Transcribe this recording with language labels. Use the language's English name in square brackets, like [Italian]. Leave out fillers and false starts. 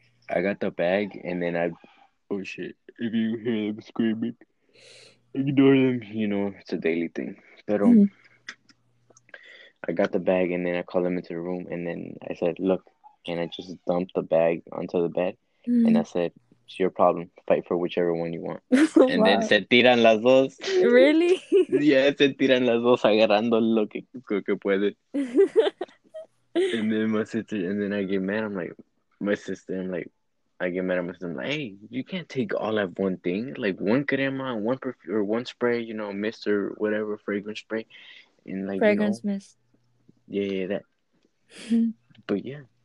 [English] I got the bag and then I. Oh shit. If you hear them screaming, ignore them. You know, it's a daily thing. Pero, I got the bag and then I called them into the room and then I said, look. And I just dumped the bag onto the bed and I said, it's your problem. Fight for whichever one you want. And then Wow. [Spanish] se tiran las dos. [English] Really? [Spanish] Yeah, se tiran las dos agarrando lo que puede. [English] And then my sister, and then I get mad. I'm like, my sister, I'm like, I get mad at my sister. I'm like, hey, you can't take all of one thing. Like one crema, one perfume, or one spray, you know, mist or whatever, fragrance spray. And like, you Fragrance know, mist. yeah, that. But yeah.